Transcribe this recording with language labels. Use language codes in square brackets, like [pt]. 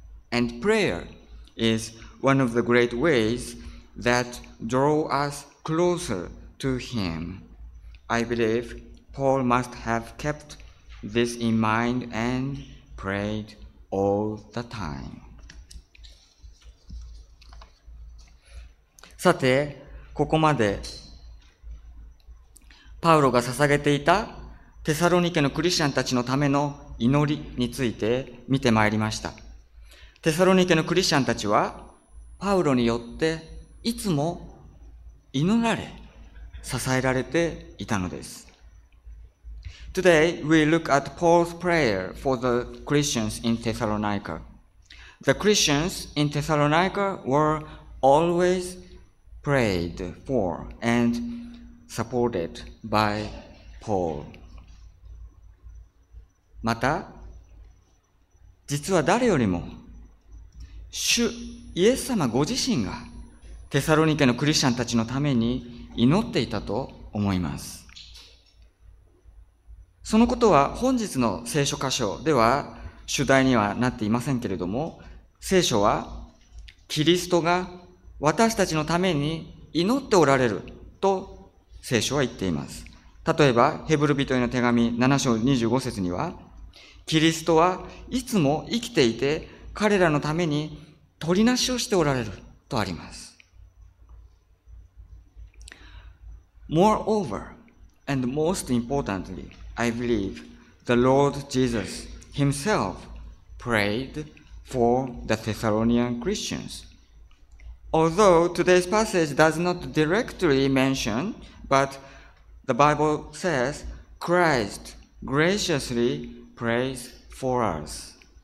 [en] And prayer is one of the great ways that draw us closer to Him. I believe Paul must have kept this in mind and prayed all the time. [ja] さて、ここまでパウロが捧げていたテサロニケのクリスチャンたちのための祈りについて見てまいりました。テサロニケのクリスチャンたちはパウロによっていつも祈られ、支えられていたのです。 [en] Today, we look at Paul's prayer for the Christians in Thessalonica. The Christians in Thessalonica were always prayed for and supported by Paul. [ja] また、実は誰よりも、主イエス様ご自身がテサロニケのクリスチャンたちのために祈っていたと思います。そのことは本日の聖書箇所では主題にはなっていませんけれども、聖書はキリストが私たちのために祈っておられると聖書は言っています。例えばヘブル人への手紙7章25節には、キリストはいつも生きていて彼らのために取りなしをしておられるとあります。 [en] Moreover, and most importantly, I believe the Lord Jesus himself prayed for the Thessalonian Christians. Although today's passage does not directly mention, but the Bible says Christ graciously prays for us.